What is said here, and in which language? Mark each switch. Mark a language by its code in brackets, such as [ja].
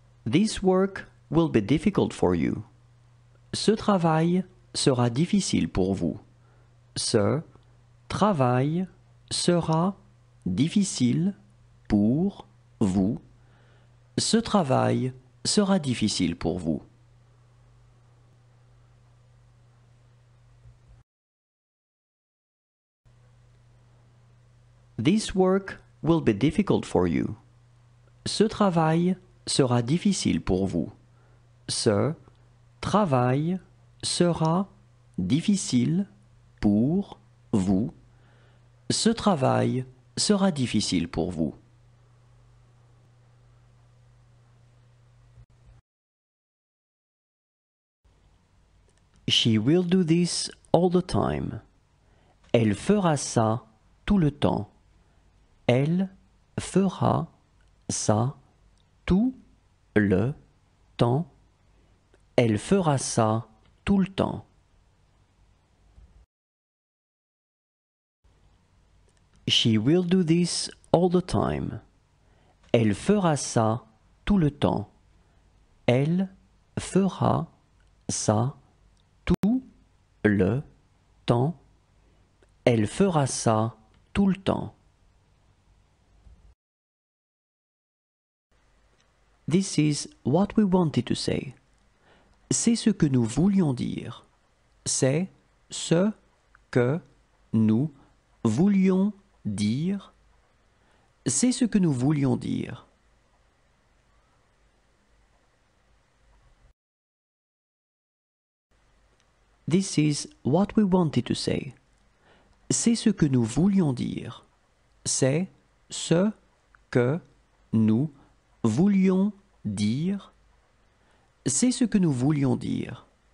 [en] This work will be difficult for you. [fr] Ce travail sera difficile pour vous. Ce travail sera difficile pour vous. Ce travail sera difficile pour vous. [en] This work will be difficult for you. [fr] Ce travail sera difficile pour vous. Ce travail sera difficile pour vous. Ce travail sera difficile pour vous. [en] She will do this all the time. [fr] Elle fera ça tout le temps. Elle fera ça tout le temps. Elle fera ça tout le temps. [en] She will do this all the time. [fr] Elle fera ça tout le temps. Elle fera ça tout le temps. Elle fera ça tout le temps. [en] This is what we wanted to say. [fr] C'est ce que nous voulions dire. C'est ce que nous voulions dire. C'est ce que nous voulions dire. [en] This is what we wanted to say. [fr] C'est ce que nous voulions dire. C'est ce que nous voulions dire. C'est ce que nous voulions dire.